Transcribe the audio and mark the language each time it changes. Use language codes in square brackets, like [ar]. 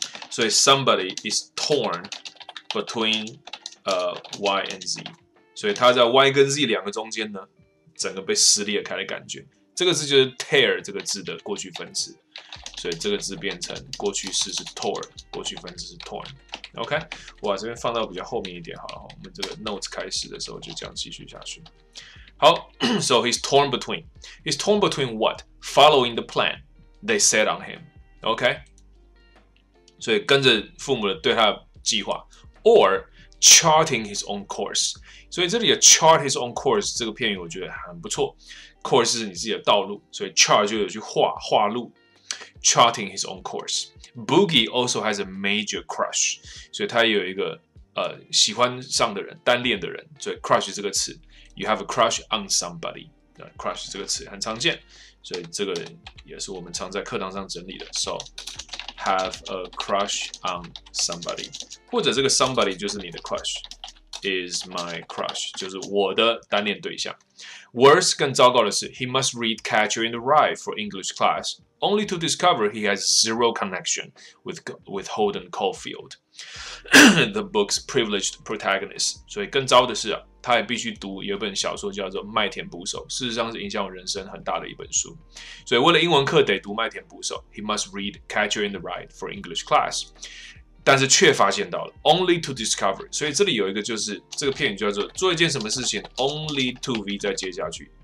[zh] 所以 [en] somebody is torn between Y and Z， [zh] 所以他在 Y 跟 Z 两个中间呢，整个被撕裂开的感觉。这个字就是 tear 这个字的过去分词，所以这个字变成过去式是 tore， 过去分词是 torn。 OK， 哇，这边放到比较后面一点好了，我们这个 notes 开始的时候就这样继续下去。 [en] 好，so he's torn between what following the plan they set on him。 [zh] OK， 所以跟着父母的对他的计划 ， [en] or charting his own course。 [zh] 所以这里的 chart his own course 这个片语我觉得很不错。 Course 是你自己的道路，所以 chart 就有去画路 ， [en] charting his own course. Boogie also has a major crush， [zh] 所以他也有一个喜欢上的人，单恋的人，所以 crush 这个词 ， [en] you have a crush on somebody， [zh] crush 这个词很常见，所以这个也是我们常在课堂上整理的。 [en] So have a crush on somebody， [zh] 或者这个 [en] somebody [zh] 就是你的 [en] crush。 Is my crush [zh] 就是我的单恋对象。 [en] Worse [zh] 更糟糕的是 [en] ，He must read Catcher in the Rye for English class, only to discover he has zero connection with Holden Caulfield, the book's privileged protagonist。 [zh] 所以更糟的是啊，他也必须读有一本小说叫做《麦田捕手》，事实上是影响我人生很大的一本书。所以为了英文课得读《麦田捕手》， [en] He must read Catcher in the Rye for English class。 [zh] 但是却发现到了 ， [en] only to discover。 [zh] 所以这里有一个就是这个片语叫做做一件什么事情 ， [en] only to v [zh] 再接下去。